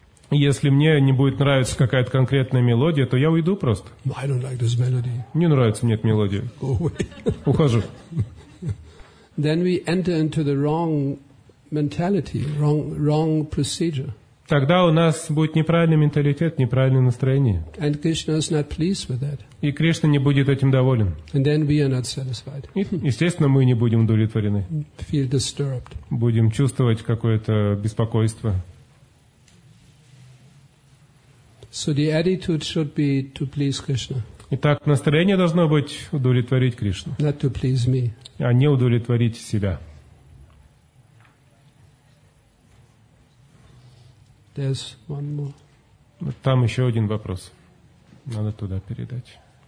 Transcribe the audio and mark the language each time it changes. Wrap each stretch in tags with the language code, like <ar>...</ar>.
<ru>Если мне не будет нравиться какая-то конкретная мелодия, то я уйду просто.</ru> <en>I don't like this melody.</en> <ru>Не нравится мне эта мелодия.</ru> <en>Go away.</en> <ru>Ухожу.</ru> <en>Then we enter into the wrong mentality, wrong procedure.</en> <ru>Тогда у нас будет неправильный менталитет, неправильное настроение.</ru> <en>And Krishna is not pleased with that.</en> <ru>И Кришна не будет этим доволен.</ru> <en>And then we are not satisfied.</en> <ru>И, естественно, мы не будем удовлетворены.</ru> <en>Feel disturbed.</en> <ru>Будем чувствовать какое-то беспокойство.</ru> <en>So the attitude should be to please Krishna.</en> <ru>Итак, настроение должно быть удовлетворить Кришну.</ru> <en>Not to please me.</en> <ru>А не удовлетворить себя.</ru> <en>There's one more.</en> <ru>Там еще один вопрос. Надо туда передать.</ru>